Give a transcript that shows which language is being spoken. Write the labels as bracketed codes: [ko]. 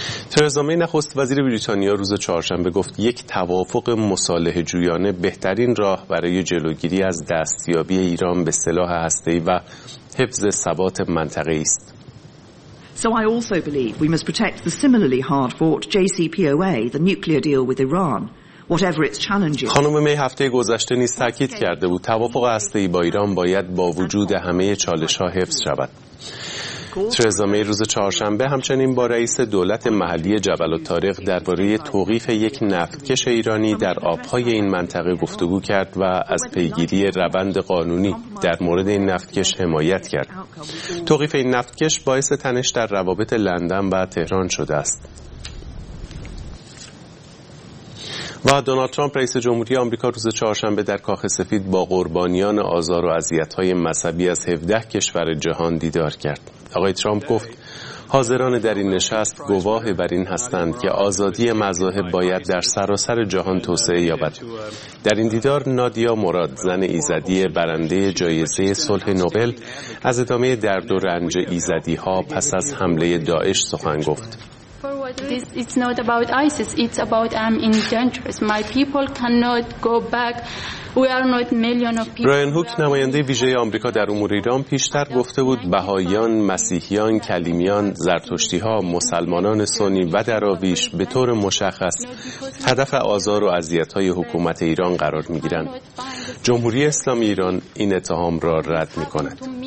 [fa] ترزا می نخست وزیر بریتانیا روز چهارشنبه گفت یک توافق مصالحه جویانه بهترین راه برای جلوگیری از دستیابی ایران به سلاح هسته‌ای و حفظ ثبات منطقه است. [en] So I also believe we must protect the similarly hard-fought JCPOA, the nuclear deal with Iran. [fa] خانم می هفته گذشته نیز تاکید کرده بود توافق هسته‌ای با ایران باید با وجود همه چالش‌ها حفظ شود. ترزا می روز چهارشنبه همچنین با رئیس دولت محلی جبل الطارق درباره توقیف یک نفتکش ایرانی در آب‌های این منطقه گفتگو کرد و از پیگیری روند قانونی در مورد این نفتکش حمایت کرد. توقیف این نفتکش باعث تنش در روابط لندن و تهران شده است. و دونالد ترامپ رئیس جمهوری آمریکا روز چهارشنبه در کاخ سفید با قربانیان آزار و اذیت‌های مذهبی از 17 کشور جهان دیدار کرد. آقای ترامپ گفت حاضران در این نشست گواه بر این هستند که آزادی مذاهب باید در سراسر جهان توسعه یابد. در این دیدار نادیا مراد، زن ایزدی برنده جایزه صلح نوبل، از ادامه درد و رنج ایزدی‌ها پس از حمله داعش سخن گفت. [en] It's not about ISIS. It's about I'm in danger. My people cannot go back. We are not million of people. [fa] برایان هوک نماینده ویژه آمریکا در امور ایران پیشتر گفته بود بهائیان، مسیحیان، کلیمیان، زرتشتی‌ها، مسلمانان سنی و دراویش به طور مشخص هدف آزار و اذیت‌های حکومت ایران قرار می‌گیرند. جمهوری اسلامی ایران این اتهام را رد می‌کند.